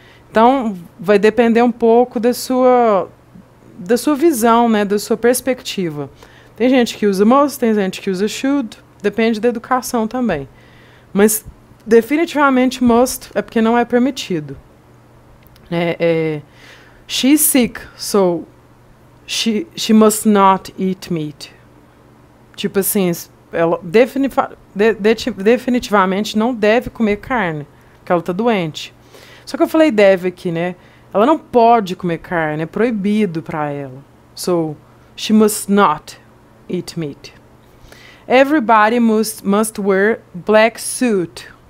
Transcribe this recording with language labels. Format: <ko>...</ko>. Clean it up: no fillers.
<pt>Então, vai depender um pouco da sua visão, né, da sua perspectiva. Tem gente que usa must, tem gente que usa should, depende da educação também. Mas definitivamente must é porque não é permitido.</pt> <en>She's sick, so she must not eat meat.</en> <pt>Tipo assim, ela definitivamente não deve comer carne, porque ela está doente. Só que eu falei deve aqui, né? Ela não pode comer carne, é proibido para ela.</pt> <en>So, she must not eat meat. Everybody must wear black suit.</en>